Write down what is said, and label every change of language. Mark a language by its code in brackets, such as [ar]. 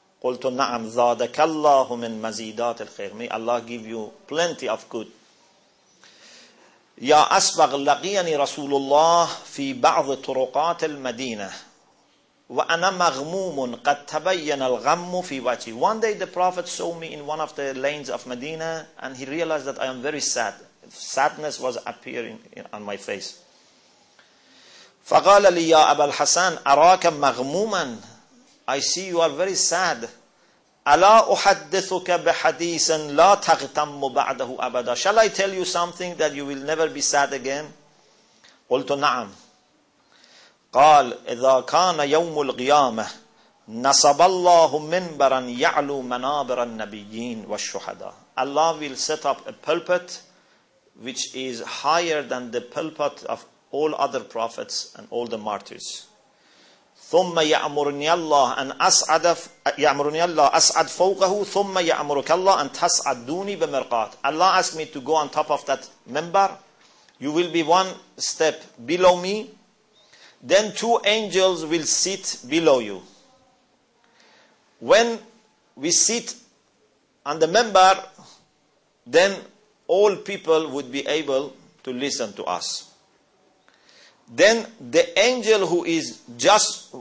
[ar] قلت نعم زادك الله من مزيدات الخير. [en] May Allah give you plenty of good. [ar] يا أسبغ لقيني رسول الله في بعض طرقات المدينة وأنا مغموم قد تبين الغم في وجهي. [en] One day the Prophet saw me in one of the lanes of Medina and he realized that I am very sad. Sadness was appearing on my face. [ar] فقال لي يا أبا الحسن أراك مغموما. [en] I see you are very sad. [ar] ألا أحدثك بحديث لا تغتم بعده أبدا. [en] Shall I tell you something that you will never be sad again? [ar] قلت نعم. قال إذا كان يوم القيامة نصب الله منبرا يعلو منابر النبيين والشهداء. [en] Allah will set up a pulpit which is higher than the pulpit of all other prophets and all the martyrs. [ar] ثم يأمرني الله أن أصعد يأمرني الله أصعد فوقه ثم يأمرك الله أن تصعد دوني بمرقات. [en] Allah asked me to go on top of that member. You will be one step below me. Then two angels will sit below you. When we sit on the member, then all people would be able to listen to us. Then the angel who is just